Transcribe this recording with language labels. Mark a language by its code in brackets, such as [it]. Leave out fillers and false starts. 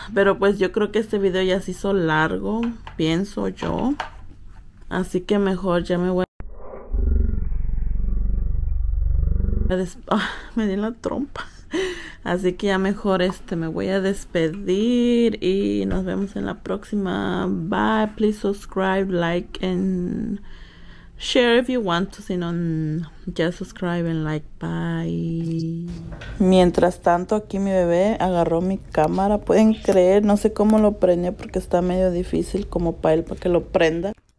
[es] Pero pues yo creo que este video ya se hizo largo, pienso yo. Así que mejor ya me voy a me di la trompa. Así que ya mejor me voy a despedir y nos vemos en la próxima. [en] Bye, please subscribe, like and share if you want to, [es] si no, [en] just subscribe and like. Bye. [es] Mientras tanto, aquí mi bebé agarró mi cámara. ¿Pueden creer? No sé cómo lo prendió porque está medio difícil como para él para que lo prenda.